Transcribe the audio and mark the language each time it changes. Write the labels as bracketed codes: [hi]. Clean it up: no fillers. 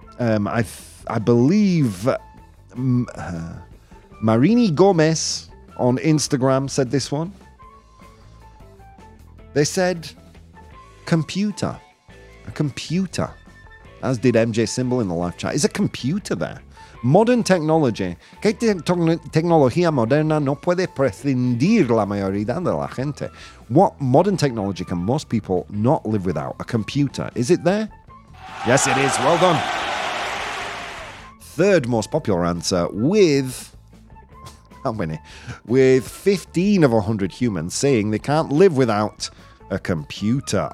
[en] I believe Marini Gomez on Instagram said this one. They said, computer. A computer. As did MJ Symbol in the live chat. Is a computer there? Modern technology. [es] ¿Qué tecnología moderna no puede prescindir la mayoría de la gente? [en] What modern technology can most people not live without? A computer. Is it there? Yes, it is. Well done. Third most popular answer with... How many? With 15 of 100 humans saying they can't live without a computer.